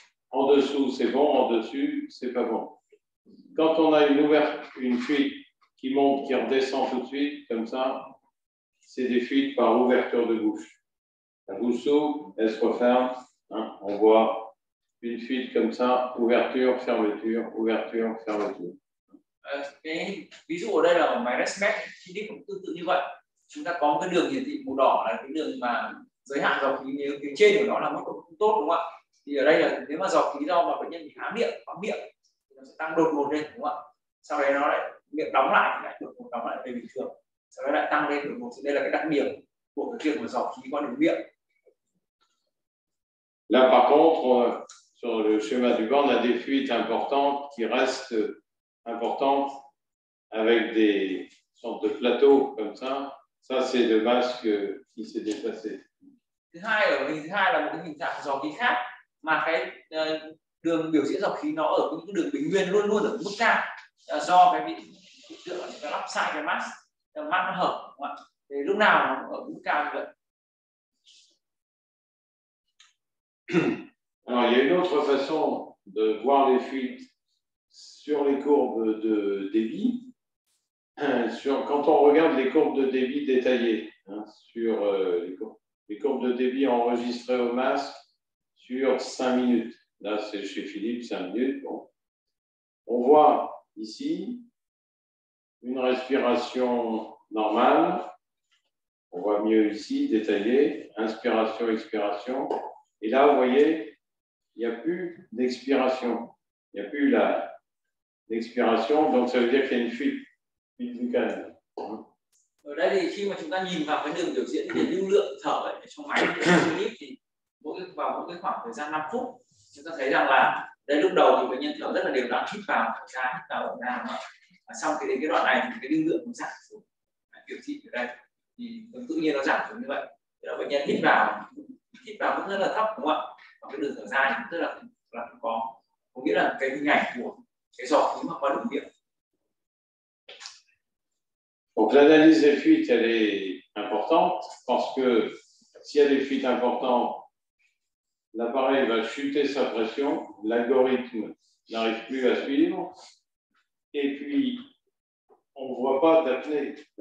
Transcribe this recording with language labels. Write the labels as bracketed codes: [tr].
[fr] En dessous, c'est bon, en dessus, c'est pas bon. Quand on a une fuite qui monte, qui redescend tout de suite, comme ça, c'est des fuites par ouverture de bouche. La bouche s'ouvre, elle se referme, hein, on voit une fuite comme ça, ouverture, fermeture, ouverture, fermeture. [vi] Cái ví dụ ở đây là máy ResMed, Philips cũng tương tự như vậy. chúng ta có một cái đường hiển thị màu đỏ là cái đường mà giới hạn dò khí, nếu phía trên của nó là mức không tốt đúng không ạ? Thì ở đây là nếu mà dò khí do mà bệnh nhân bị há miệng, có miệng thì nó sẽ tăng đột ngột lên đúng không ạ? Sau đấy nó lại miệng đóng lại, lại được một đóng lại về bình thường, sau đó lại tăng lên đột ngột. Đây là cái đặc điểm của cái chuyện của dò khí qua đường miệng. [fr] Là par contre sur le chemin du vent, on a des fuites importantes qui restent importantes avec des sortes de plateaux comme ça. Ça, c'est le masque qui s'est déplacé. [vi] Thứ hai, ở hình thứ hai là một cái hình dạng dò khí khác, mà cái đường biểu diễn dò khí nó ở những cái đường bình nguyên luôn luôn ở mức cao, do cái bị hiện tượng là lắp sai cái mask, cái mask nó hở, đúng không ạ? Thì lúc nào nó ở mức cao như vậy. [fr] Alors, il y a une autre façon de voir les fuites sur les courbes de débit. Quand on regarde les courbes de débit détaillées, hein, sur les courbes de débit enregistrées au masque sur 5 minutes. Là, c'est chez Philippe, 5 minutes. Bon. On voit ici une respiration normale. On voit mieux ici, détaillé, inspiration, expiration. Et là, vous voyez, il n'y a plus d'expiration. Il n'y a plus la d'expiration, donc ça veut dire qu'il y a une fuite, buccale. [vi] Ở đây thì khi mà chúng ta nhìn vào cái đường biểu diễn để lưu lượng thở ở trong máy thì vào cái khoảng thời gian 5 phút, chúng ta thấy rằng là đây lúc đầu thì bệnh nhân thở rất là đều đặn, hít vào, thở ra, hít vào, thở ra. Và sau khi đến cái đoạn này thì cái lưu lượng nó giảm xuống. Biểu thị ở đây thì tự nhiên nó giảm xuống như vậy. Thì là bệnh nhân hít vào cũng rất là thấp đúng không ạ? Cái đường thở dài tức là có nghĩa là cái hình ảnh của cái dò khí mà qua đường miệng. [fr] Donc l'analyse des fuites elle est importante parce que s'il y a des fuites importantes, l'appareil va chuter sa pression, l'algorithme n'arrive plus à suivre et puis on ne voit pas d'apnée.